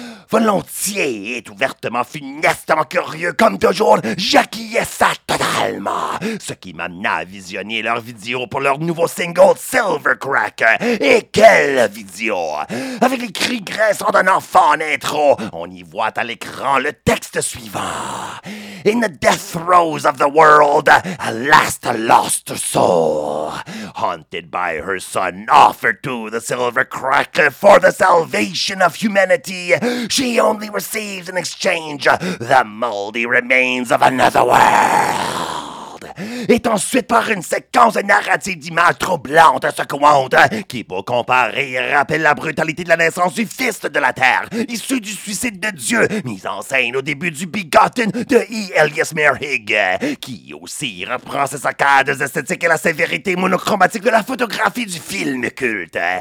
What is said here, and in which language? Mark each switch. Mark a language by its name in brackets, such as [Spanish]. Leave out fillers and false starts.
[French] Volontiers et ouvertement funestement curieux comme toujours, j'acquiesce ça totalement. Ce qui m'amena à visionner leur vidéo pour leur nouveau single Silvercrack. Et quelle vidéo! Avec les cris graissants d'un enfant en intro, on y voit à l'écran le texte suivant. [English] In the death throes of the world, a last lost soul. Haunted by her son, offered to the Silvercrack for the salvation of humanity, she only receives in exchange the moldy remains of another world. [French] Est ensuite par une séquence narrative d'images troublantes et secouantes qui, pour comparer, rappelle la brutalité de la naissance du fils de la Terre, issu du suicide de Dieu, mise en scène au début du Begotten de E. Elias Merhig, qui aussi reprend ses saccades esthétiques et la sévérité monochromatique de la photographie du film culte.